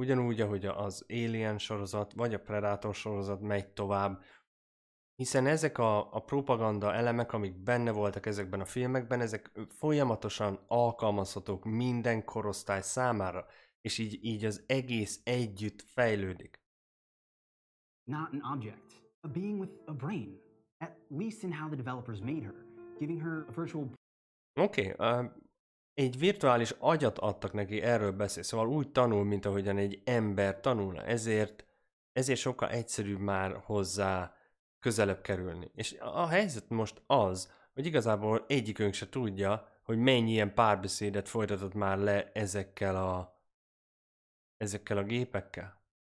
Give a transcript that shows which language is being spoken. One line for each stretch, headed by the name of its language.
Hungarian: Ugyanúgy, ahogy az Alien sorozat, vagy a Predator sorozat megy tovább, hiszen ezek a propaganda elemek, amik benne voltak ezekben a filmekben, ezek folyamatosan alkalmazhatók minden korosztály számára, és így az egész együtt fejlődik.
English: Not an object, a being with a brain, at least in how the developers made her, giving her a virtual...
Hungarian: Okay, egy virtuális agyat adtak neki, erről beszél, szóval úgy tanul, mint ahogyan egy ember tanulna, ezért sokkal egyszerűbb már hozzá közelebb kerülni. És a helyzet most az, hogy igazából egyikünk se tudja, hogy mennyi ilyen párbeszédet folytatott már le ezekkel a gépekkel.